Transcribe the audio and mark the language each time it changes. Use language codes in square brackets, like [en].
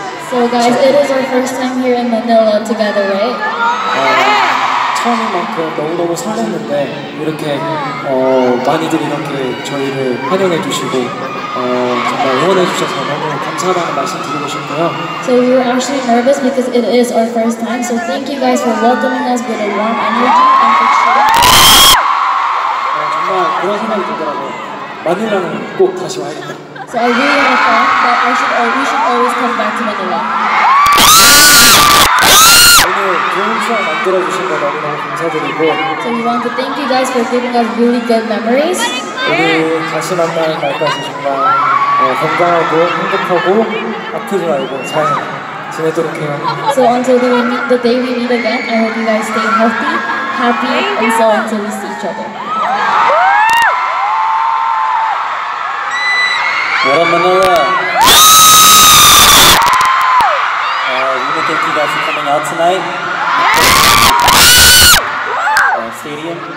[en] So guys, it is our first time here in Manila together, right? [ko] 처음인 만큼 너무너무 설렜는데 이렇게 많이들 이렇게 저희를 환영해 주시고 정말 응원해 주셔서 너무 감사하다는 말씀 드리고 싶고요. [en] So we were actually nervous because it is our first time. So thank you guys for welcoming us with a warm energy and for cheering. [ko] 정말 그런 생각이 들더라고요. 마닐라는 꼭 다시 와야겠다. [en] So I really have thought that we should always come back to Manila. [ko] 만들어주신 거 너무너무 감사드리고 [en] So we want to thank you guys for giving us really good memories [ko] 오늘 다시 만나는 날까지 정말 건강하고 행복하고 아프지 말고 잘 지내도록 해요 [en] So until the day we meet again I hope you guys stay healthy, happy and so until we see each other [ko] 여러분 만나요 [en] We thank you guys for coming out tonight Stadium.